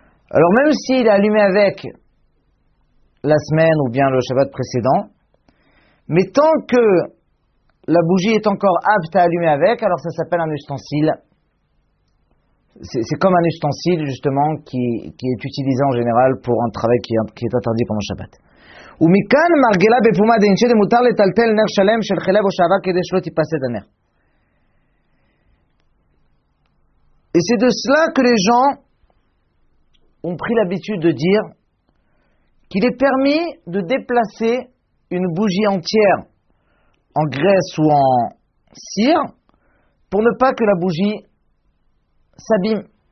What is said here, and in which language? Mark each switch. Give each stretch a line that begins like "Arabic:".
French: Alors même s'il est allumé avec la semaine ou bien le Shabbat précédent, mais tant que la bougie est encore apte à allumer avec, alors ça s'appelle un ustensile. C'est comme un ustensile justement qui est utilisé en général pour un travail qui est interdit pendant Shabbat.
Hebrew: ומכאן מרגלה בפומה דנשי דמותר לטלטל נר שלם של חלב או שעבה כדי שלא תיפסד הנר.
French: Et c'est de cela que les gens ont pris l'habitude de dire qu'il est permis de déplacer une bougie entière en graisse ou en cire pour ne pas que la bougie s'abîme.